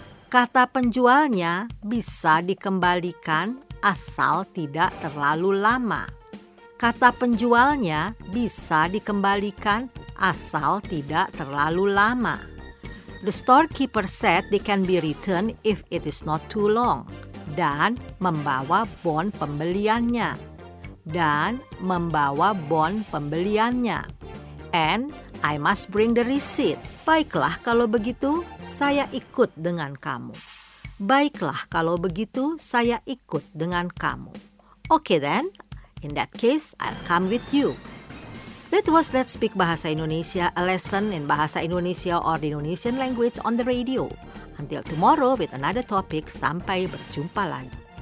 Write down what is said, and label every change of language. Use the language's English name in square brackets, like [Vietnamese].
[Indonesian] Kata penjualnya, bisa dikembalikan asal tidak terlalu lama. Kata penjualnya, bisa dikembalikan asal tidak terlalu lama. [English] The storekeeper said they can be returned if it is not too long. [Indonesian] Dan membawa bon pembeliannya. Dan membawa bon pembeliannya. [English] And I must bring the receipt. [Indonesian] Baiklah kalau begitu, saya ikut dengan kamu. Baiklah kalau begitu, saya ikut dengan kamu. [English] Okay then, in that case, I'll come with you. That was Let's Speak Bahasa Indonesia, a lesson in Bahasa Indonesia or the Indonesian language on the radio. Until tomorrow with another topic, [Indonesian] sampai berjumpa lagi.